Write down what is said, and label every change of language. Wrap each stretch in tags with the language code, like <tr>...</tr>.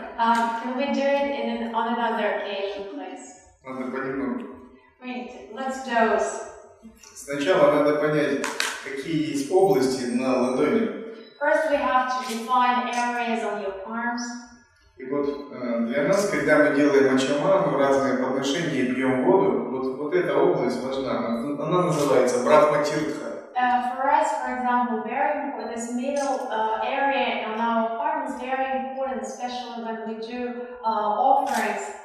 <en>Can we do it in on another occasion, please?</en> <ru>Надо понемногу.</ru> <en>Wait, let's dose.</en> <ru>Сначала надо понять, какие есть области на ладони.</ru> <en>First, we have to define areas on your arms.</en> <ru>И вот для нас, когда мы делаем мачаману, разные подношения, пьем воду, вот эта область важна. Она называется брахматиртха.</ru> <en>For us, for example, very important, this middle area on our farm is very important, especially when we do offerings.</en>